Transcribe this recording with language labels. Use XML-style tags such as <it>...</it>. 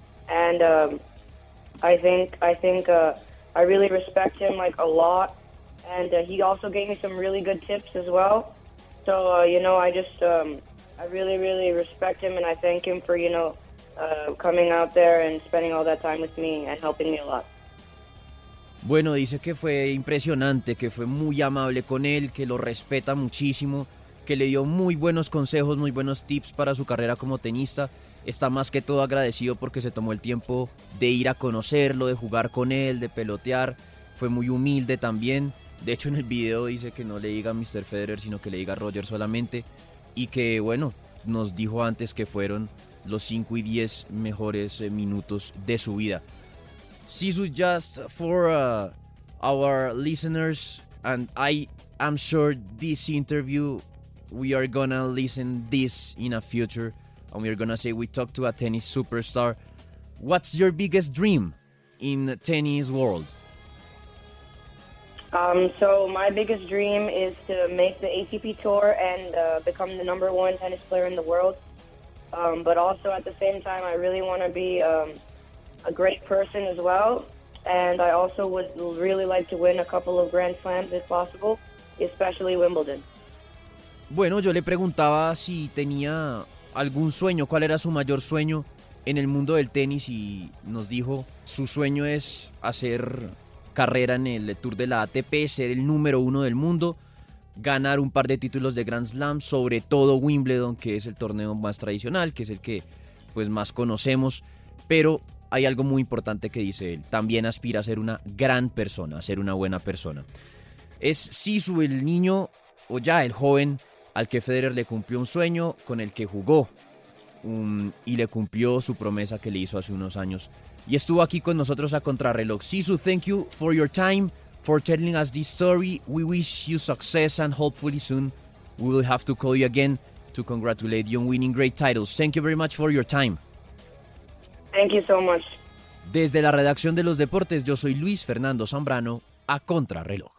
<en>And I really respect him, like, a lot. And he also gave me some really good tips as well. So, I really, really respect him, and I thank him for, you know, coming out there and spending all that time with me and helping me a lot.</en> <es>Bueno, dice que fue impresionante, que fue muy amable con él, que lo respeta muchísimo, que le dio muy buenos consejos, muy buenos tips para su carrera como tenista. Está más que todo agradecido porque se tomó el tiempo de ir a conocerlo, de jugar con él, de pelotear. Fue muy humilde también. De hecho, en el video dice que no le diga a Mr. Federer, sino que le diga a Roger solamente. Y que, bueno, nos dijo antes que fueron los 5 y 10 mejores minutos de su vida.</es> <en>Sisu, just for our listeners, and I am sure this interview, we are gonna listen this in a future, and we are gonna say we talked to a tennis superstar. What's your biggest dream in the tennis world? So my biggest dream is to make the ATP Tour and become the number one tennis player in the world. But also at the same time, I really want to be a great person as well. And I also would really like to win a couple of Grand Slams if possible, especially Wimbledon.</en> <es>Bueno, yo le preguntaba si tenía algún sueño, cuál era su mayor sueño en el mundo del tenis, y nos dijo su sueño es hacer carrera en el Tour de la ATP, ser el número uno del mundo, ganar un par de títulos de Grand Slam, sobre todo Wimbledon, que es el torneo más tradicional, que es el que pues más conocemos. Pero hay algo muy importante que dice él, también aspira a ser una gran persona, a ser una buena persona. Es Sisu, el niño, o ya el joven, al que Federer le cumplió un sueño, con el que jugó y le cumplió su promesa que le hizo hace unos años. Y estuvo aquí con nosotros a contrarreloj.</es> <en>Sisu, thank you for your time, for telling us this story. We wish you success and hopefully soon we will have to call you again to congratulate you on winning great titles. Thank you very much for your time. Thank you so much.</en> <es>Desde la redacción de Los Deportes, yo soy Luis Fernando Zambrano, a contrarreloj.</es>